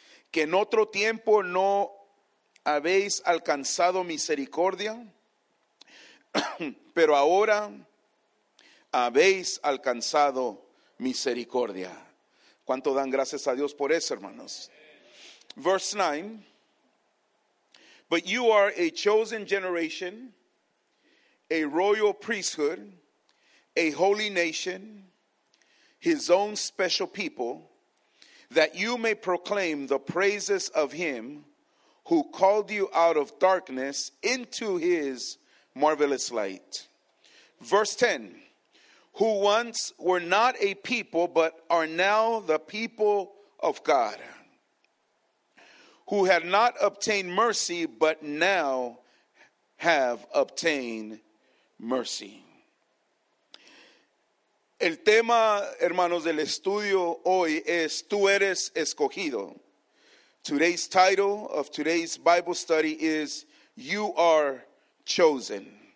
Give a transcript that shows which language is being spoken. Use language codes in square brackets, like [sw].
[es] Que en otro tiempo no habéis alcanzado misericordia, pero ahora habéis alcanzado misericordia. ¿Cuánto dan gracias a Dios por eso, hermanos? [en] Verse 9. But you are a chosen generation, a royal priesthood, a holy nation, his own special people, that you may proclaim the praises of him who called you out of darkness into his marvelous light. Verse 10. Who once were not a people, but are now the people of God. Who had not obtained mercy, but now have obtained mercy. [es] El tema, hermanos, del estudio hoy es Tú eres escogido. [en] Today's title of today's Bible study is You Are Chosen.